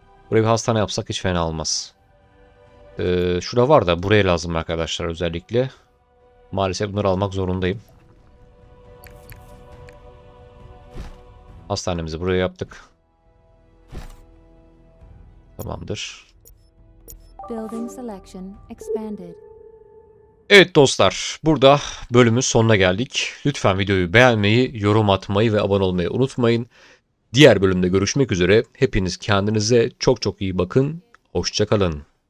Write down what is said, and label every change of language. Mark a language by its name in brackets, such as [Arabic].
[Turkish] Buraya bir hastane yapsak hiç fena olmaz. Şurada var da buraya lazım arkadaşlar özellikle. Maalesef bunları almak zorundayım. Hastanemizi buraya yaptık. Tamamdır. [English] Building selection expanded. [Turkish] Evet dostlar, burada bölümün sonuna geldik. Lütfen videoyu beğenmeyi, yorum atmayı ve abone olmayı unutmayın. Diğer bölümde görüşmek üzere. Hepiniz kendinize çok çok iyi bakın. Hoşça kalın.